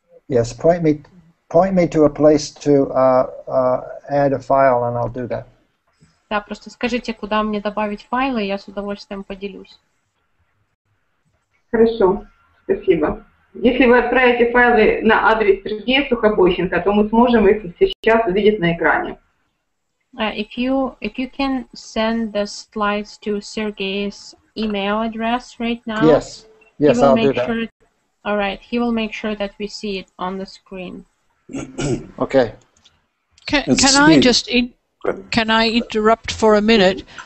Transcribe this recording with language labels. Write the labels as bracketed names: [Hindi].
[English] Yes, point me to a place to add a file, and I'll do that. [Russian] Да, просто скажите, куда мне добавить файлы, я с удовольствием поделюсь. Хорошо, спасибо. Если вы отправите файлы на адрес Сергея Сухобойченко, то мы сможем их сейчас увидеть на экране. [English] If you can send the slides to Sergei's email address right now. Yes. Yes, I'll do that. All right. He will make sure that we see it on the screen. Okay. Can I interrupt for a minute?